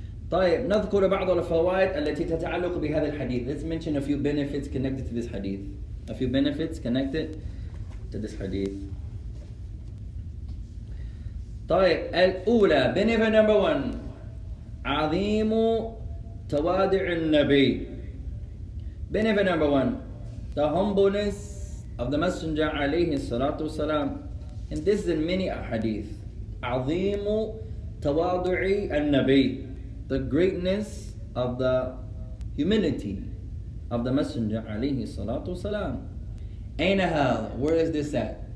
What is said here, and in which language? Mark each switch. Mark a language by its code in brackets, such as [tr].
[ar] طيب نذكر بعض الفوائد التي تتعلق بهذا الحديث. [en] Let's mention a few benefits connected to this hadith. A few benefits connected to this hadith. [ar] طيب الأولى, [en] benefit number one, [ar] عظيم توادع النبي. [en] Benefit number one, the humbleness of the Messenger عليه الصلاة والسلام. And this is in many hadith. [ar] عظيم تواضع النبي. [en] The greatness of the humility of the Messenger alayhi salatu wasalam. Aina hadha? Where is this at?